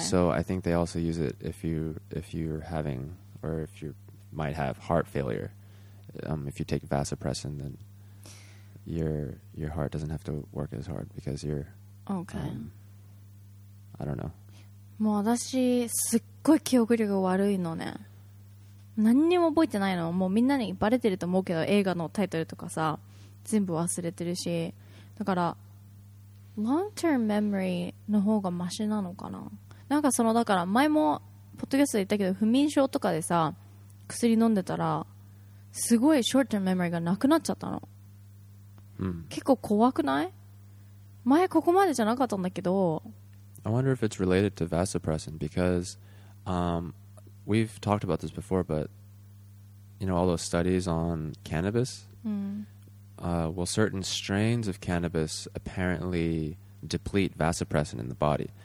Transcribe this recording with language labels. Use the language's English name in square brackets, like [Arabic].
[English] So I think they also use it if you're having or if you might have heart failure. If you take vasopressin, then your heart doesn't have to work as hard because you're okay. I don't know. [Japanese] もう私すっごい記憶力が悪いのね。何にも覚えてないの。もうみんなにバレてると思うけど、映画のタイトルとかさ全部忘れてるし、だから long term memory の方がマシなのかな。なんかそのだから前もポッドキャストで言ったけど、不眠症とかでさ薬飲んでたらすごい short term memory がなくなっちゃったの、うん、結構怖くない？前ここまでじゃなかったんだけど、 [English] I wonder if it's related to vasopressin because、we've talked about this before, but you know all those studies on cannabis、well certain strains of cannabis apparently deplete vasopressin in the body.